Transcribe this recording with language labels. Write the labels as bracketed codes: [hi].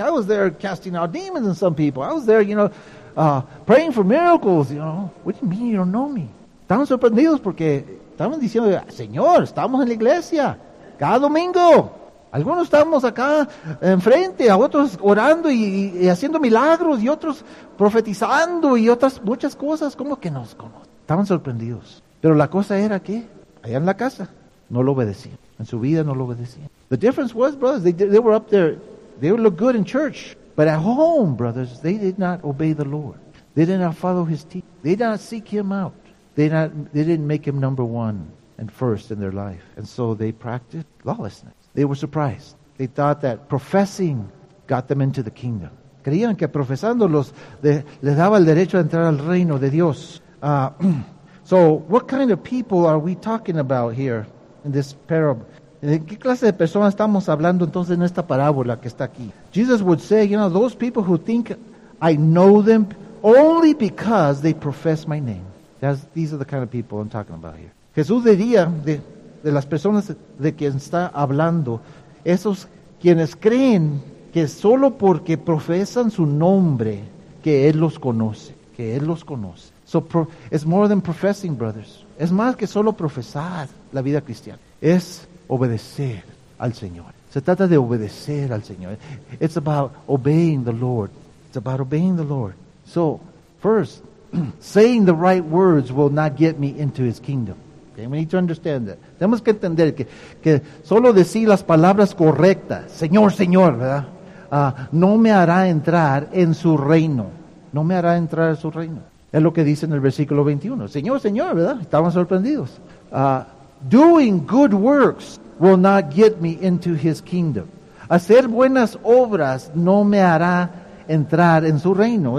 [en] I was there casting out demons in some people. I was there, you know, praying for miracles, you know. What do you mean you don't know me? [es] Estaban sorprendidos porque estaban diciendo, Señor, estamos en la iglesia cada domingo. Algunos estamos acá enfrente, a otros orando y haciendo milagros, y otros profetizando y otras muchas cosas. ¿Cómo que nos conocen? Estaban sorprendidos. Pero la cosa era que allá en la casa no lo obedecían. En su vida no lo obedecían. [en] The difference was, brothers, they were up there. They would look good in church. But at home, brothers, they did not obey the Lord. They did not follow his teaching. They did not seek him out. They didn't make him number one and first in their life. And so they practiced lawlessness. They were surprised. They thought that professing got them into the kingdom. [es] Creían que profesándolos les daba el derecho a entrar al reino de Dios. [en] So what kind of people are we talking about here in this parable? [es] ¿De qué clase de personas estamos hablando entonces en esta parábola que está aquí? [en] Jesus would say, you know, those people who think I know them only because they profess my name. These are the kind of people I'm talking about here. [es] Jesús diría de las personas de quien está hablando, esos quienes creen que solo porque profesan su nombre, que Él los conoce, que Él los conoce. [en] So it's more than professing, brothers. [es] Es más que solo profesar la vida cristiana. Es obedecer al Señor. Se trata de obedecer al Señor. [en] It's about obeying the Lord. It's about obeying the Lord. So, first, saying the right words will not get me into His kingdom. Okay, we need to understand that. [es] Tenemos que entender que solo decir las palabras correctas, Señor, Señor, ¿verdad? No me hará entrar en su reino. No me hará entrar en su reino. Es lo que dice en el versículo 21. Señor, Señor, ¿verdad? Estaban sorprendidos. [en] Doing good works will not get me into his kingdom. [es] Hacer buenas obras no me hará entrar en su reino.